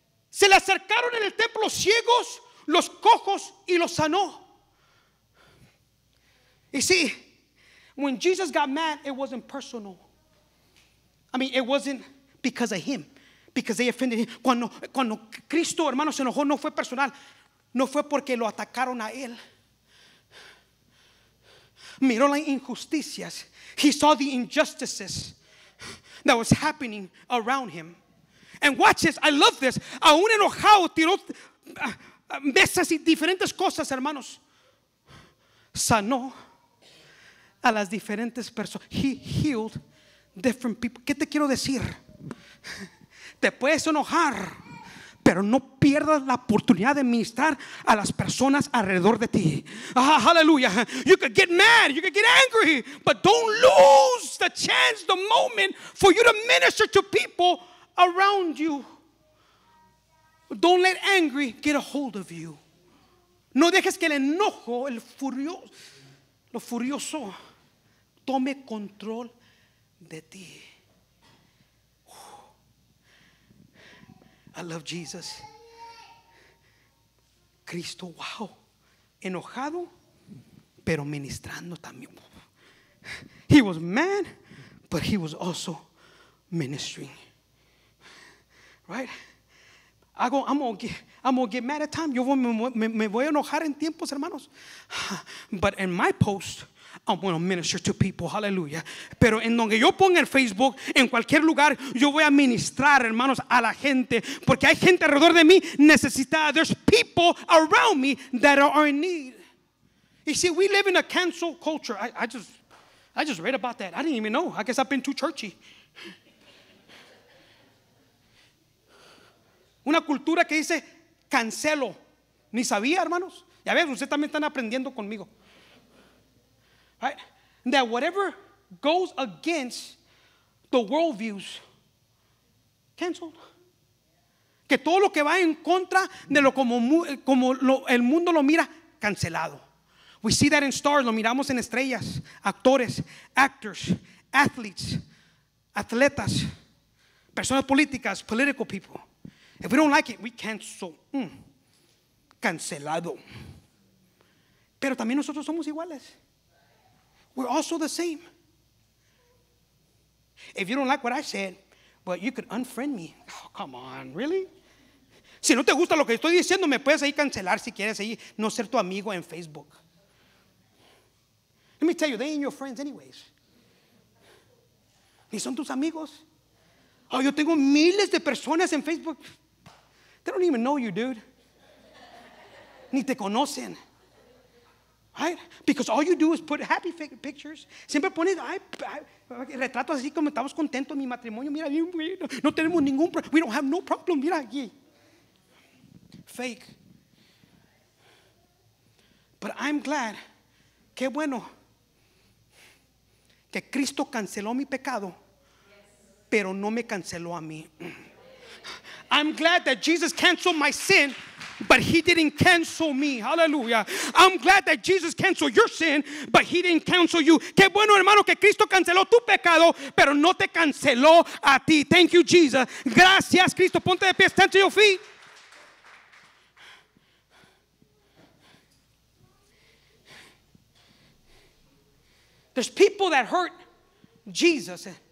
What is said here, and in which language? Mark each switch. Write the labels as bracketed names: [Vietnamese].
[Spanish] Se le acercaron en el templo los ciegos, los cojos y los sanó. [English] You see, when Jesus got mad, it wasn't personal. I mean, it wasn't because of him, because they offended him. [Spanish] Cuando Cristo, hermano, se enojó, no fue personal. No fue porque lo atacaron a él. Miró las injusticias. [English] He saw the injustices that was happening around him. And watch this, I love this. [Spanish] Aún enojado, tiró mesas y diferentes cosas, hermanos. Sanó a las diferentes personas. [English] He healed different people. [Spanish] ¿Qué te quiero decir? Te puedes enojar, pero no pierdas la oportunidad de ministrar a las personas alrededor de ti. Ah, hallelujah. [English] You could get mad, you could get angry, but don't lose the chance, the moment for you to minister to people around you. Don't let angry get a hold of you. [Spanish] No dejes que el enojo, el furioso, lo furioso, tome control de ti. [English] I love Jesus. [Spanish] Cristo, wow. Enojado, pero ministrando también. [English] He was mad, but he was also ministering. Right? I'm gonna get mad at time. [Spanish] Me voy a enojar en tiempos, hermanos. [English] But in my post, I'm going to minister to people, hallelujah. [Spanish] Pero en donde yo ponga el Facebook, en cualquier lugar, yo voy a ministrar, hermanos, a la gente. Porque hay gente alrededor de mí necesitada. [English] There's people around me that are in need. You see, we live in a cancel culture. I just read about that. I didn't even know. I guess I've been too churchy. [Spanish] Una cultura que dice cancelo. Ni sabía, hermanos. Ya ves, ustedes también están aprendiendo conmigo. [English] right? That whatever goes against the worldviews, canceled. [Spanish] Que todo lo que va en contra de lo como el mundo lo mira, cancelado. [English] We see that in stars, [Spanish] lo miramos en estrellas, actores, [English] actors, athletes, [Spanish] atletas, personas políticas, [English] political people. If we don't like it, we cancel. [Spanish] Cancelado. Pero también nosotros somos iguales. [English] We're also the same. If you don't like what I said, well, you could unfriend me. Oh, come on, really? [Spanish] Si no te gusta lo que estoy diciendo, me puedes ahí cancelar si quieres ahí no ser tu amigo en Facebook. [English] Let me tell you, they ain't your friends anyways. [Spanish] Ni son tus amigos. Oh, yo tengo miles de personas en Facebook. [English] They don't even know you, dude. [Spanish] Ni te conocen. [English] Right? Because all you do is put happy pictures. [Spanish] Siempre pones retratos así como estamos contentos en mi matrimonio. Mira, no tenemos ningún problema. [English] We don't have no problem. [Spanish] Mira aquí. Fake. [English] But I'm glad. [Spanish] Qué bueno. Que Cristo canceló mi pecado, pero no me canceló a mí. [English] I'm glad that Jesus canceled my sin, but he didn't cancel me. Hallelujah. I'm glad that Jesus canceled your sin, but he didn't cancel you. [Spanish] Qué bueno, hermano, que Cristo canceló tu pecado, pero no te canceló a ti. [English] Thank you, Jesus. [Spanish] Gracias, Cristo. Ponte de pie, [English] stand to your feet. There's people that hurt Jesus.